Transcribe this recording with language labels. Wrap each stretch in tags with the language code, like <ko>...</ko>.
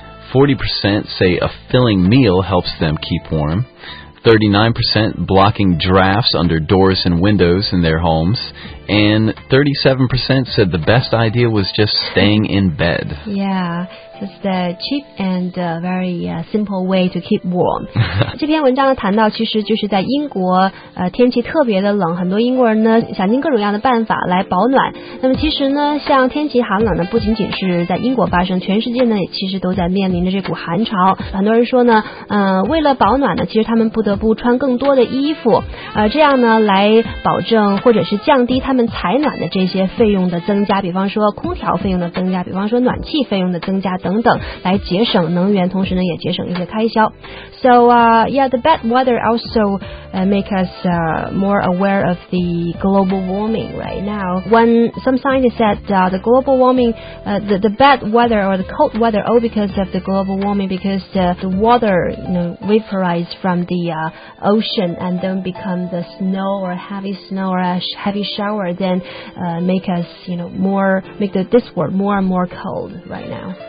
<en>40% say a filling meal helps them keep warm. 39% blocking drafts under doors and windows in their homes. And 37% said the best idea was just staying in bed. Yeah, it's the cheap and very simple way to keep warm.</en> <zh>这篇文章呢谈到，其实就是在英国，天气特别的冷，很多英国人呢想尽各种各样的办法来保暖。那么其实呢，像天气寒冷呢，不仅仅是在英国发生，全世界呢也其实都在面临着这股寒潮。很多人说呢，为了保暖呢，其实他们不得不穿更多的衣服，这样呢来保证或者是降低他们采暖的这些费用的增加，比方说空调费用的增加，比方说暖气费用的增加等等，来节省能源，同时呢也节省一些开销。</zh> <en>So the bad weather also make us more aware of the global warming right now. When some scientists said the global warming, the bad weather or the cold weather, all because of the global warming, because the water, you know, vaporized from the ocean and then become the snow or heavy snow or a heavy shower, then make us, you know, more, make this world more and more cold right now.</en>